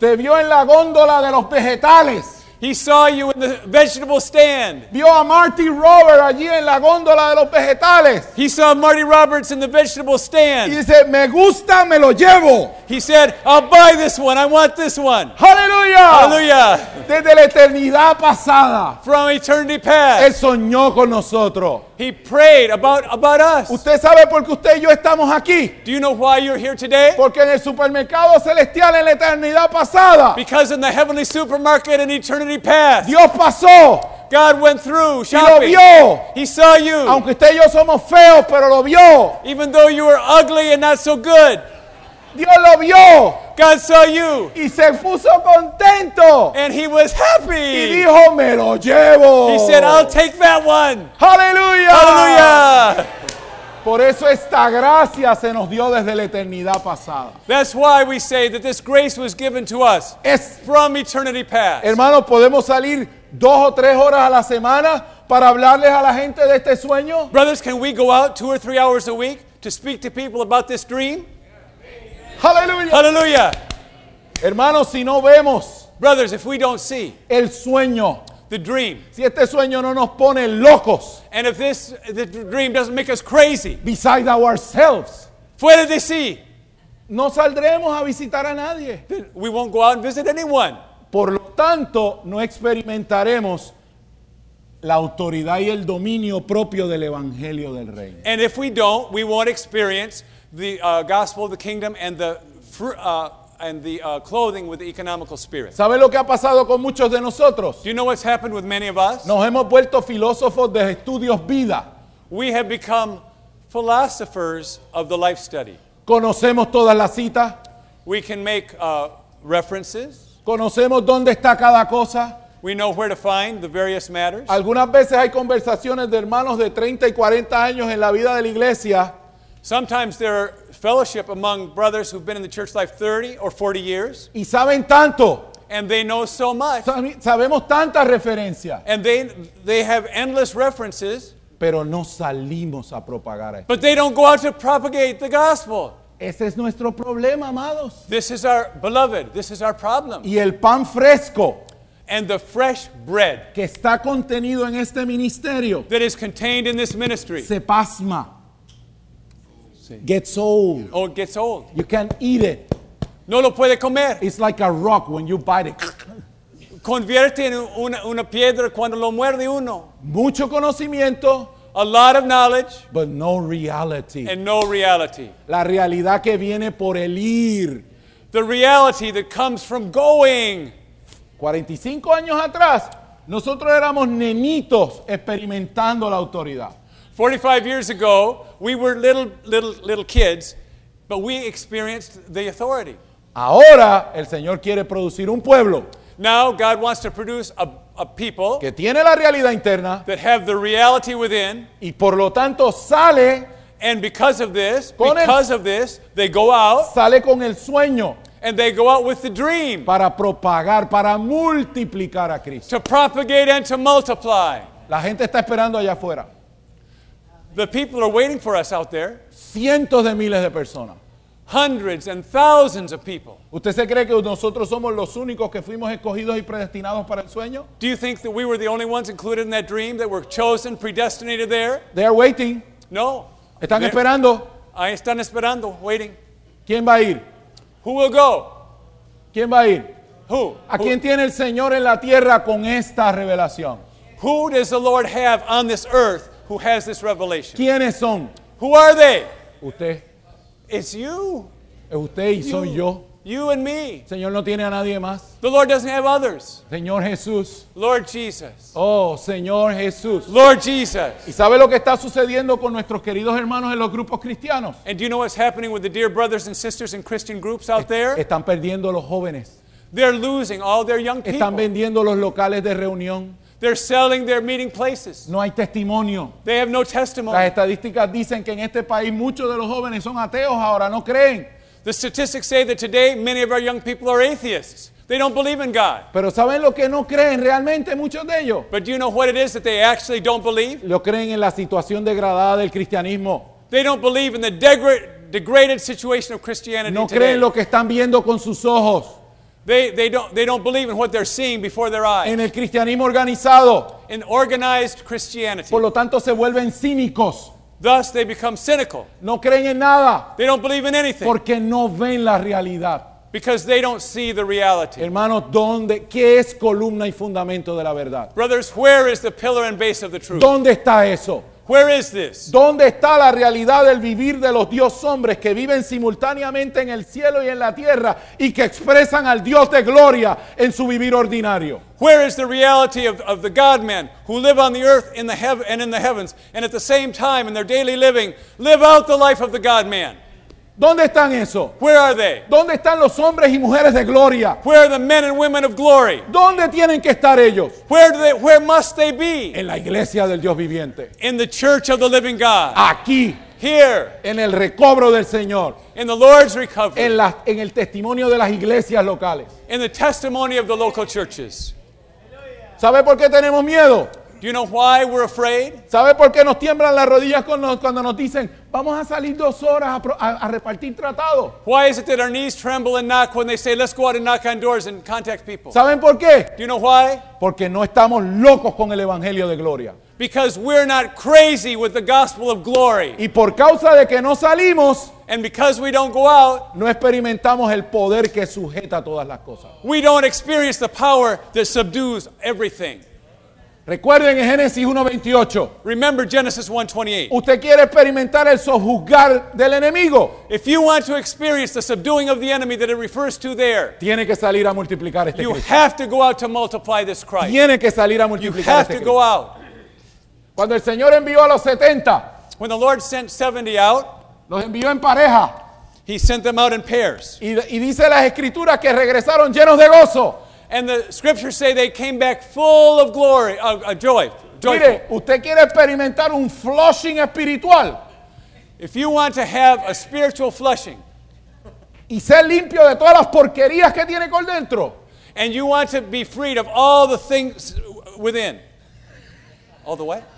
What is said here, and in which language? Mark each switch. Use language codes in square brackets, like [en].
[es] Te vio en la góndola de los vegetales. [en] He saw you in the vegetable stand. [es] Vio a Marty Roberts allí en la góndola de los vegetales. [en] He saw Marty Roberts in the vegetable stand. [es] Y dice, me gusta, me lo llevo. [en] He said, I'll buy this one. I want this one. Hallelujah. Hallelujah. [es] Desde la eternidad pasada. [en] From eternity past. [es] Él soñó con nosotros. [en] He prayed about us. [es] ¿Usted sabe por qué usted y yo estamos aquí? [en] Do you know why you're here today? [es] Porque en el supermercado celestial en la eternidad pasada. [en] Because in the heavenly supermarket in eternity past. [es] Dios pasó. [en] God went through shopping. [es] Y lo vio. [en] He saw you. [es] Aunque usted y yo somos feos, pero lo vio. [en] Even though you were ugly and not so good. [es] Dios lo vio. [en] God saw you. [es] Y se puso contento. [en] And he was happy. [es] Y dijo, me lo llevo. [en] He said, I'll take that one. Hallelujah. Hallelujah. [es] Por eso esta gracia se nos dio desde la eternidad pasada. [en] That's why we say that this grace was given to us from eternity past. [es] Hermanos, podemos salir 2 o 3 horas a la semana para hablarles a la gente de este sueño. [en] Brothers, can we go out 2 or 3 hours a week to speak to people about this dream? Hallelujah. Hallelujah. [es] Hermanos, si no vemos, [en] brothers, if we don't see [es] el sueño, [en] the dream, [es] si este sueño no nos pone locos, [en] and if this the dream doesn't make us crazy, beside ourselves, [es] fuera de sí, no saldremos a visitar a nadie. [en] We won't go out and visit anyone. [es] Por lo tanto, no experimentaremos la autoridad y el dominio propio del evangelio del reino. [en] And if we don't, we won't experience the gospel of the kingdom and the clothing with the economical spirit. [es] ¿Sabe lo que ha pasado con muchos de nosotros? [en] Do you know what's happened with many of us? [es] Nos hemos vuelto filósofos de estudios vida. [en] We have become philosophers of the life study. [es] Conocemos todas las citas. [en] We can make references. [es] Conocemos dónde está cada cosa. [en] We know where to find the various matters. [es] Algunas veces hay conversaciones de hermanos de 30 y 40 años en la vida de la iglesia. [en] Sometimes there are fellowship among brothers who've been in the church life 30 or 40 years. [es] Y saben tanto. [en] And they know so much. [es] Sabemos tanta referencia. [en] And they have endless references. [es] Pero no salimos a propagar esto. [en] But they don't go out to propagate the gospel. [es] Ese es nuestro problema, amados. [en] This is our beloved. This is our problem. [es] Y el pan fresco. [en] And the fresh bread [es] que está contenido en este ministerio, [en] that is contained in this ministry, [es] se pasma, [en] gets old. Oh, it gets old. You can't eat it. [es] No lo puede comer. [en] It's like a rock when you bite it. [es] Convierte en una piedra cuando lo muerde uno. Mucho conocimiento, [en] a lot of knowledge, but no reality. And no reality. [es] La realidad que viene por el ir. [en] The reality that comes from going. [es] 45 años atrás, nosotros éramos nenitos experimentando la autoridad. [en] 45 years ago, we were little kids, but we experienced the authority. [es] Ahora, el Señor quiere producir un pueblo. [en] Now, God wants to produce a people [es] que tiene la realidad interna, [en] that have the reality within, [es] y por lo tanto sale, [en] and because of this, they go out, [es] sale con el sueño, [en] and they go out with the dream. [es] Para propagar, para multiplicar a Cristo. [en] To propagate and to multiply. [es] La gente está esperando allá afuera. [en] The people are waiting for us out there. [es] Cientos de miles de personas. [en] Hundreds and thousands of people. [es] ¿Usted se cree que nosotros somos los únicos que fuimos escogidos y predestinados para el sueño? [en] Do you think that we were the only ones included in that dream, that were chosen, predestinated there? They are waiting. [es] No. Están esperando. Ahí están esperando, waiting. ¿Quién va a ir? [en] Who will go? [es] ¿Quién va a ir? [en] Who? [es] ¿A quién tiene el Señor en la tierra con esta revelación? [en] Who does the Lord have on this earth who has this revelation? [es] ¿Quiénes son? [en] Who are they? [es] Usted. [en] It's you. [es] Es usted y you. Soy yo. [en] You and me. [es] El Señor no tiene a nadie más. [en] The Lord doesn't have others. [es] Señor Jesús. [en] Lord Jesus. [es] Oh, Señor Jesús. [en] Lord Jesus. [es] ¿Y sabe lo que está sucediendo con nuestros queridos hermanos en los grupos cristianos? [en] And do you know what's happening with the dear brothers and sisters in Christian groups out there? [es] Están perdiendo los jóvenes. [en] They're losing all their young people. [es] Están vendiendo los locales de reunión. [en] They're selling their meeting places. [es] No hay testimonio. [en] They have no testimony. [es] Las estadísticas dicen que en este país muchos de los jóvenes son ateos ahora, no creen. [en] The statistics say that today many of our young people are atheists. They don't believe in God. [es] Pero ¿saben lo que no creen realmente muchos de ellos? [en] But do you know what it is that they actually don't believe? [es] Lo creen en la situación degradada del cristianismo. [en] They don't believe in the degraded situation of Christianity [es] today. No creen lo que están viendo con sus ojos. [en] They don't believe in what they're seeing before their eyes. [es] En el cristianismo organizado. [en] In organized Christianity. [es] Por lo tanto se vuelven cínicos. [en] Thus they become cynical. [es] No creen en nada. [en] They don't believe in anything. [es] Porque no ven la realidad. [en] Because they don't see the reality. [es] Hermano, ¿dónde qué es columna y fundamento de la verdad? [en] Brothers, where is the pillar and base of the truth? [es] ¿Dónde está eso? [en] Where is this? [es] ¿Dónde está la realidad del vivir de los Dios hombres que viven simultáneamente en el cielo y en la tierra y que expresan al Dios de gloria en su vivir ordinario? [en] Where is the reality of the God-men who live on the earth in the and in the heavens and at the same time in their daily living live out the life of the God-man? [es] ¿Dónde están eso? [en] Where are they? [es] ¿Dónde están los hombres y mujeres de gloria? [en] Where are the men and women of glory? [es] ¿Dónde tienen que estar ellos? [en] Where must they be? [es] En la iglesia del Dios viviente. [en] In the church of the living God. [es] Aquí. [en] Here. [es] En el recobro del Señor. [en] In the Lord's recovery. [es] En el testimonio de las iglesias locales. [en] In the testimony of the local churches. [es] ¿Sabe por qué tenemos miedo? [en] Do you know why we're afraid? [es] ¿Sabe por qué nos tiemblan las rodillas cuando nos dicen vamos a salir dos horas a repartir tratado? [en] Why is it that our knees tremble and knock when they say let's go out and knock on doors and contact people? [es] ¿Saben por qué? [en] Do you know why? [es] Porque no estamos locos con el evangelio de gloria. [en] Because we're not crazy with the gospel of glory. [es] Y por causa de que no salimos, [en] and because we don't go out, [es] no experimentamos el poder que sujeta todas las cosas. [en] We don't experience the power that subdues everything. [es] Recuerden en Génesis 1:28. [en] Remember Genesis 1:28. [es] ¿Usted quiere experimentar el sojuzgar del enemigo? [en] If you want to experience the subduing of the enemy that it refers to there, [es] tiene que salir a multiplicar este [en] you [es] Cristo. [en] You have to go out to multiply this Christ. [es] Tiene que salir a multiplicar este Cristo. [en] You have to go out. [es] Cuando el Señor envió a los 70, [en] when the Lord sent 70 out, [es] los envió en pareja. [en] He sent them out in pairs. [es] Y dice las escrituras que regresaron llenos de gozo. [en] And the scriptures say they came back full of glory, of joy. [es] Mire, usted quiere experimentar un flushing espiritual. [en] If you want to have a spiritual flushing, [es] y ser limpio de todas las porquerías que tiene por dentro, [en] and you want to be freed of all the things within, all the what?